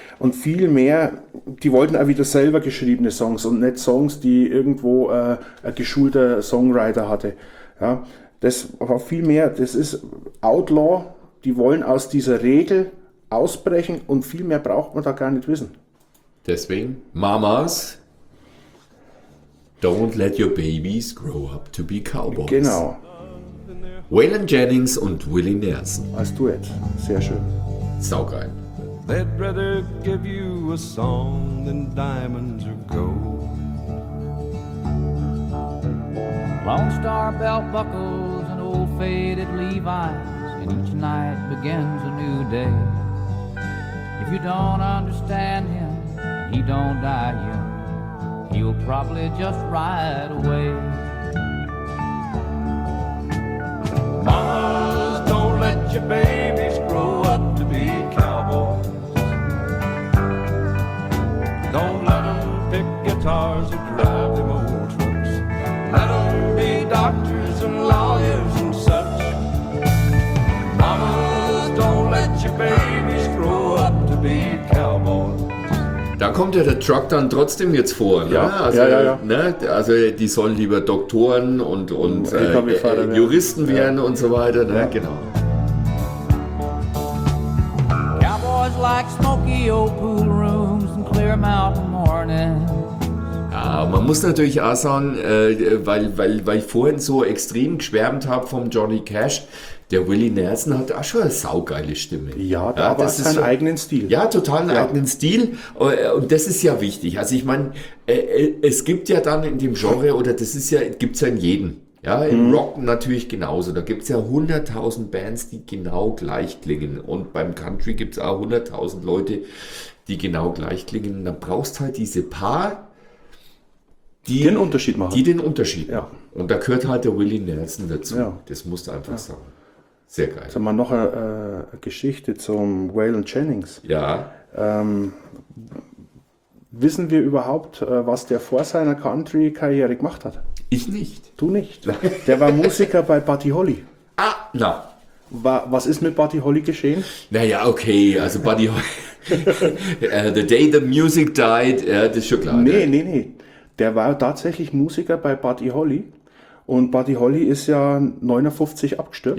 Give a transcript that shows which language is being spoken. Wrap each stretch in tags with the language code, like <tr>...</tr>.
<de>Und viel mehr, die wollten auch wieder selber geschriebene Songs und nicht Songs, die irgendwo ein geschulter Songwriter hatte. Ja, das war viel mehr, das ist Outlaw, die wollen aus dieser Regel ausbrechen und viel mehr braucht man da gar nicht wissen. Deswegen</de> <en>Mamas, don't let your babies grow up to be cowboys.</en> <de>Genau. Waylon Jennings und Willie Nelson. Als Duett. Sehr schön. Saugeil.</de> <en>They'd rather give you a song than diamonds or gold. Long star belt buckles and old faded Levi's. And each night begins a new day. If you don't understand him, he don't die young. You'll probably just ride away. Mamas, don't let your babies grow up to be cowboys. Don't let them pick guitars or drive them old trucks. Let them be doctors and lawyers and such. Mamas, don't let your babies grow up to be cowboys.</en> <de>Da kommt ja der Truck dann trotzdem jetzt vor. Ne? Ja, also, ja, ja, ja. Ne? Also die sollen lieber Doktoren und Juristen werden und so weiter. Ne? Ja. Genau.</de> <en>Cowboys like smoky old pool rooms and clear mountain morning.</en> <de>Man muss natürlich auch sagen, weil ich vorhin so extrem geschwärmt habe vom Johnny Cash, der Willie Nelson hat auch schon eine saugeile Stimme. Ja, ja, aber das ist seinen eigenen Stil. Ja, total einen eigenen Stil. Und das ist ja wichtig. Also ich meine, es gibt ja dann in dem Genre, oder das ist ja, gibt es ja in jedem. Ja, im Rock natürlich genauso. Da gibt es ja 100.000 Bands, die genau gleich klingen. Und beim Country gibt es auch 100.000 Leute, die genau gleich klingen. Und dann brauchst halt diese paar, die den Unterschied machen. Die den Unterschied machen. Ja. Und da gehört halt der Willie Nelson dazu. Ja. Das musst du einfach sagen. Sehr geil. Sag mal, noch eine Geschichte zum Waylon Jennings. Ja. Wissen wir überhaupt, was der vor seiner Country-Karriere gemacht hat? Ich nicht. Du nicht? Der war Musiker bei Buddy Holly. Ah, na. Was ist mit Buddy Holly geschehen? Naja, okay, also Buddy Holly.</de> <en>The day the music died,</en> <de>das ist schon klar. Nee. Der war tatsächlich Musiker bei Buddy Holly. Und Buddy Holly ist ja 59 abgestürzt.</de>